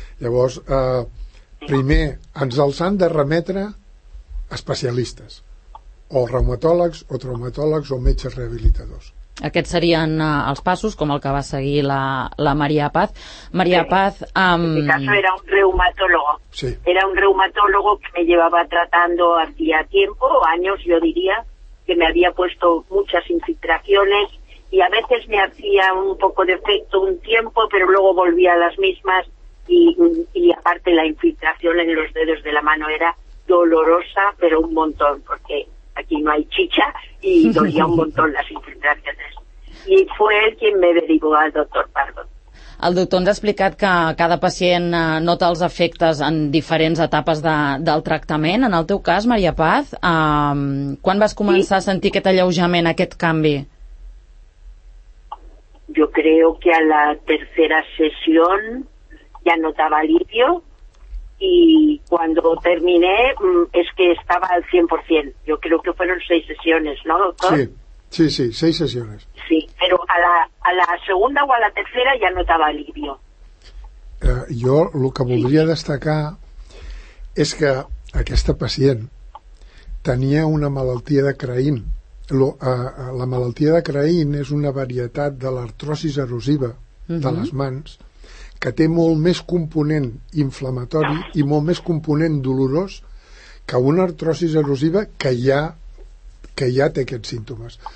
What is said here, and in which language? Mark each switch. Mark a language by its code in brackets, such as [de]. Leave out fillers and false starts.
[ca] Llavors, primer, ens els han de remetre especialistes, o reumatòlegs, o traumatòlegs, o metges rehabilitadors. Aquests serien els passos, com el que va seguir la Maria Paz. Maria Paz... [es] En este caso era un reumatólogo. Sí. Era un reumatólogo que me llevaba tratando hacía tiempo, años, yo diría, que me había puesto muchas infiltraciones y a veces me hacía un poco de efecto un tiempo, pero luego volvía a las mismas y aparte la infiltración en los dedos de la mano era dolorosa, pero un montón, porque aquí no hay chicha y dolía un montón las infiltraciones. Y fue él quien me derivó al doctor Pardo. [ca] El doctor ens ha explicat que cada pacient nota els efectes en diferents etapes del tractament. En el teu cas, Maria Paz, quan vas començar a sentir aquest alleujament, aquest canvi? [es] Yo creo que a la tercera sesión ya notaba alivio y cuando terminé es que estaba al 100%. Yo creo que fueron 6 sesiones, ¿no, doctor? Sí, 6 sesiones. Sí, pero a la segunda o a la tercera ya notaba alivio. [ca] Jo el que voldria destacar és que aquesta pacient tenia una malaltia de Crahin. La malaltia de Crahin és una varietat de l'artrosis erosiva de les mans que té molt més component inflamatori i molt més component dolorós que una artrosis erosiva que ja té aquests símptomes.